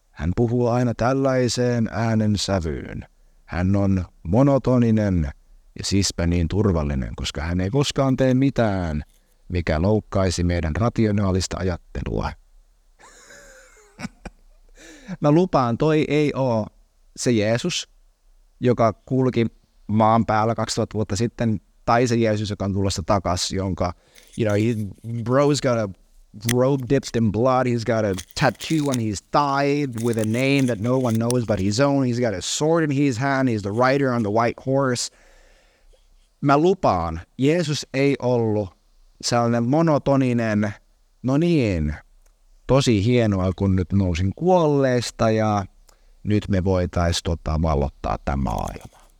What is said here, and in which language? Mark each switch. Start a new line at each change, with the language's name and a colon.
Finnish: Hän puhuu aina tällaiseen äänen sävyyn. Hän on monotoninen ja siispä niin turvallinen, koska hän ei koskaan tee mitään, mikä loukkaisi meidän rationaalista ajattelua. Mä lupaan, toi ei oo se Jeesus, joka kulki maan päällä 2000 vuotta sitten, tai se Jeesus, joka on tulossa takas, jonka,
English: you know, he, bro's got a robe dipped in blood, he's got a tattoo on his thigh with a name that no one knows but his own, he's got a sword in his hand, he's the rider on the white horse.
Finnish: Mä lupaan, Jeesus ei ollut sellainen monotoninen, no niin, tosi hienoa, kun nyt nousin kuolleesta ja nyt me voitaisiin valloittaa tämä maailma.